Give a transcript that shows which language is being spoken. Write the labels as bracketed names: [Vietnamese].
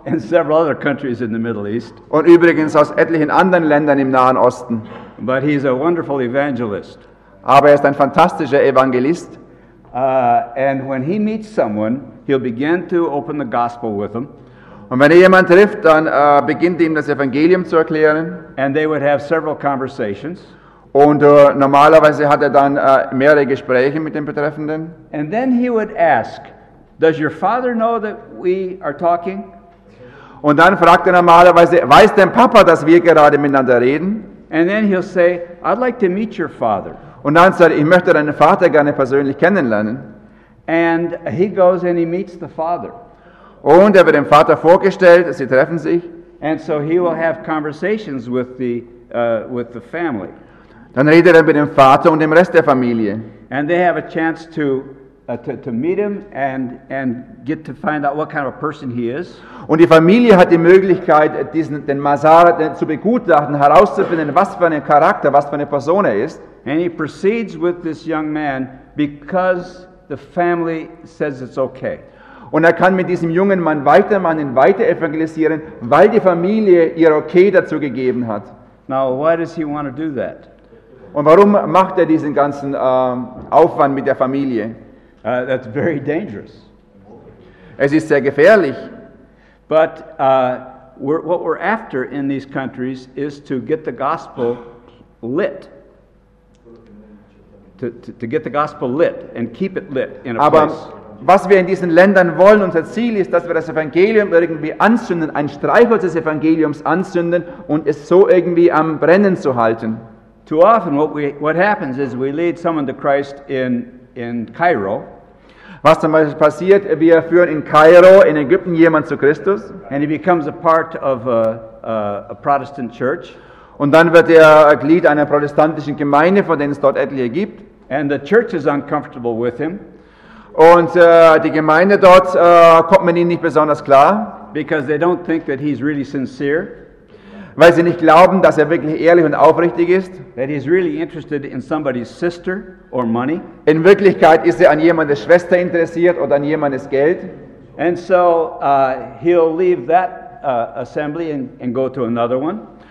[English] And several other countries in the Middle East. [German] Und übrigens aus etlichen anderen Ländern im Nahen Osten. [English] But he's a wonderful evangelist. [German] Aber er ist ein fantastischer Evangelist. [English] And when he meets someone, he'll begin to open the gospel with them. [German] Und wenn er jemanden trifft, dann beginnt ihm das Evangelium zu erklären. [English] And they would have several conversations. [German] Und normalerweise hat er dann mehrere Gespräche mit dem Betreffenden. [English] And then he would ask, does your father know that we are talking? [German] Und dann fragt er normalerweise, weiß denn Papa, dass wir gerade miteinander reden? [English] And then he'll say, I'd like to meet your father. [German] Und dann sagt er, ich möchte deinen Vater gerne persönlich kennenlernen. [English] And he goes and he meets the father. [German] Und er wird dem Vater vorgestellt, sie treffen sich. [English] And so he will have conversations with the family. [German] Dann redet er mit dem Vater und dem Rest der Familie. [English] And they have a chance to meet him and get to find out what kind of a person he is. [German] Und die Familie hat die Möglichkeit, den Mazhar zu begutachten, herauszufinden, was für ein Charakter, was für eine Person er ist. [English] And he proceeds with this young man because the family says it's okay. [German] Und er kann mit diesem jungen Mann weitermachen, weiter evangelisieren, weil die Familie ihr Okay dazu gegeben hat. [English] Now, why does he want to do that? [German] Und warum macht er diesen ganzen Aufwand mit der Familie? [English] That's very dangerous. [German] Es ist sehr gefährlich. [English] But what we're after in these countries is to get the gospel lit. To get the gospel lit and keep it lit in a [German] Aber [English] place. [German] Was wir in diesen Ländern wollen, unser Ziel ist, dass wir das Evangelium irgendwie anzünden, ein Streichholz des Evangeliums anzünden und es so irgendwie am Brennen zu halten. [English] Too often what happens is we lead someone to Christ in Cairo. [German] Was zum Beispiel passiert, wir führen in Kairo, in Ägypten, jemanden zu Christus. [English] And he becomes a part of a Protestant church. [German] Und dann wird er Glied einer protestantischen Gemeinde, von denen es dort etliche gibt. [English] And the church is uncomfortable with him. [German] Und die Gemeinde dort kommt mit ihnen nicht besonders klar. [English] because they don't think that he's really sincere. [German] Weil sie nicht glauben, dass er wirklich ehrlich und aufrichtig ist. [English] That he's really interested in somebody's sister or money. [German] In Wirklichkeit ist er an jemandes Schwester interessiert oder an jemandes Geld. [English] And so he'll leave that assembly and go to another one.